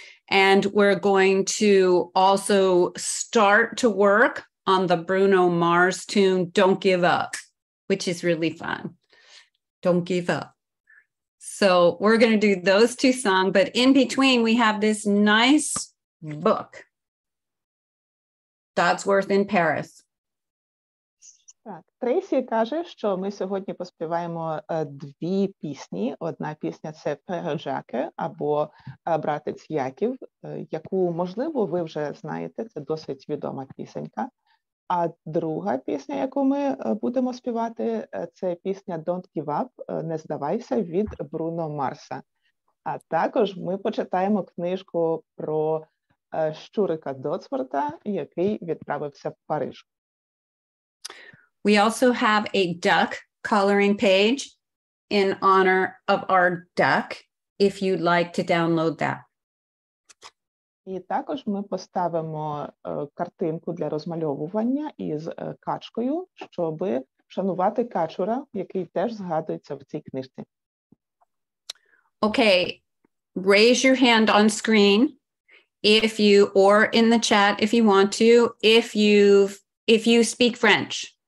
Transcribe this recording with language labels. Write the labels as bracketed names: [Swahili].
[English] And we're going to also start to work on the Bruno Mars tune, Don't Give Up, which is really fun. Don't Give Up. So we're going to do those two songs. But in between, we have this nice book, Dodsworth in Paris. [Ukrainian] Так, Трейсі каже, що ми сьогодні поспіваємо дві пісні. Одна пісня – це «Пере Жаке» або «Братець Яків», яку, можливо, ви вже знаєте, це досить відома пісенька. А друга пісня, яку ми будемо співати, це пісня «Don't Give Up», «Не здавайся» від Бруно Марса. А також ми почитаємо книжку про Щурика Додсворта, який відправився в Париж. [English] We also have a duck coloring page in honor of our duck, if you'd like to download that. [Ukrainian] І також ми поставимо картинку для розмальовування із качкою, щоб шанувати качура, який теж згадується в цій книжці. [English] Okay, raise your hand on screen if you, or in the chat if you want to, if you speak French.